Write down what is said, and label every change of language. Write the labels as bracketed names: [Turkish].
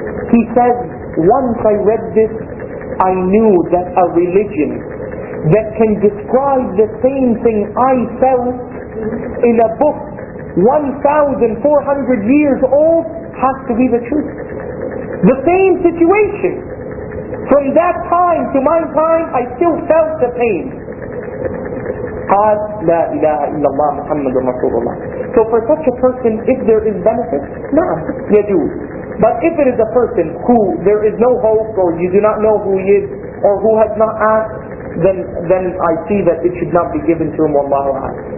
[English] He says, once I read this, I knew that a religion that can describe the same thing I felt in a book 1,400 years old has to be the truth. The same situation. From that time to my time, I still felt the pain. [Arabic] قال لا إله إلا الله محمد رسول الله. [English] So for such a person, if there is benefit, [Arabic] نعم يجوز. [English] But if it is a person who there is no hope, or you do not know who he is, or who has not asked, then I see that it should not be given to him. Wallahu a'lam.